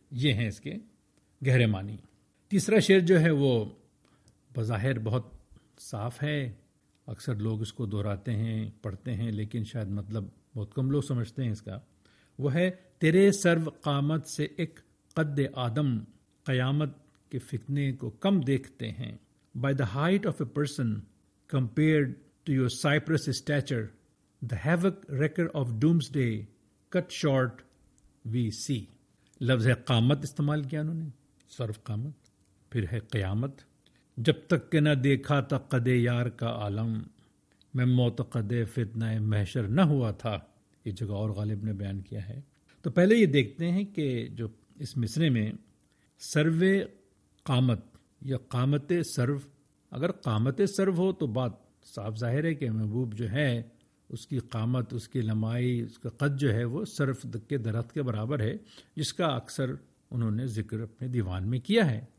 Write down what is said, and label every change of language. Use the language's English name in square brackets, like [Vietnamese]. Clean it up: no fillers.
[Urdu] یہ ہیں اس کے گہرے معنی. تیسرا شعر جو ہے وہ بظاہر بہت صاف ہے، اکثر لوگ اس کو دہراتے ہیں، پڑھتے ہیں، لیکن شاید مطلب بہت کم لوگ سمجھتے ہیں اس کا. وہ ہے تیرے سرو قامت سے ایک قد آدم قیامت کے فتنے کو کم دیکھتے ہیں. [English] By the height of a person compared to your cypress stature, the havoc wrecker of doomsday cut short we see. [Urdu] لفظ ہے قامت استعمال کیا انہوں نے، سرو قامت، پھر ہے قیامت. جب تک کہ نہ دیکھا تھا قد یار کا عالم، میں معتقد فتنہ محشر نہ ہوا تھا. یہ جگہ اور غالب نے بیان کیا ہے. تو پہلے یہ دیکھتے ہیں کہ جو اس مصرے میں سرو قامت یا قامت سرو، اگر قامت سرو ہو تو بات صاف ظاہر ہے کہ محبوب جو ہے اس کی قامت، اس کی لمائی، اس کا قد جو ہے وہ سرو کے درخت کے برابر ہے، جس کا اکثر انہوں نے ذکر اپنے دیوان میں کیا ہے.